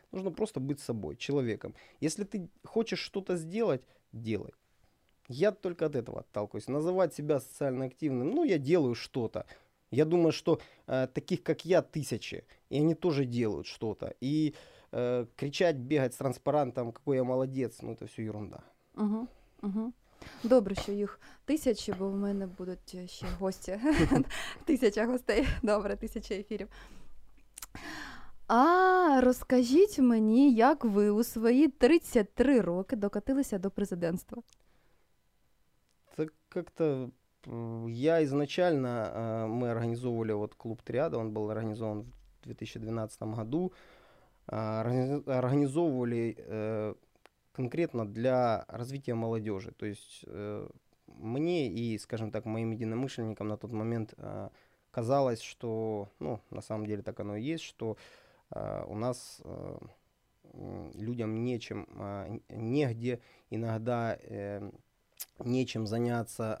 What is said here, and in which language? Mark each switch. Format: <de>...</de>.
<ru>Нужно просто быть собой, человеком. Если ты хочешь что-то сделать, делай. Я только от этого отталкиваюсь. Называть себя социально активным, ну, я делаю что-то. Я думаю, что таких, как я, тысячи. И они тоже делают что-то. И кричать, бегать с транспарантом, какой я молодец, ну, это все ерунда. Угу, угу.</ru> <uk>Добре, що їх тисячі, бо в мене будуть ще гості. Тисяча гостей. Добре, тисяча ефірів. А розкажіть мені, як ви у свої 33 роки докатилися до президентства? Так як-то я ізначально, ми організовували от клуб «Тріада», він був організований</uk> <ru>в 2012 году.</ru> <uk>Організовували конкретно</uk> <ru>для развития молодежи. То есть мне и, скажем так, моим единомышленникам на тот момент казалось, что, ну, на самом деле так оно и есть, что у нас людям нечем, негде, иногда нечем заняться.</ru>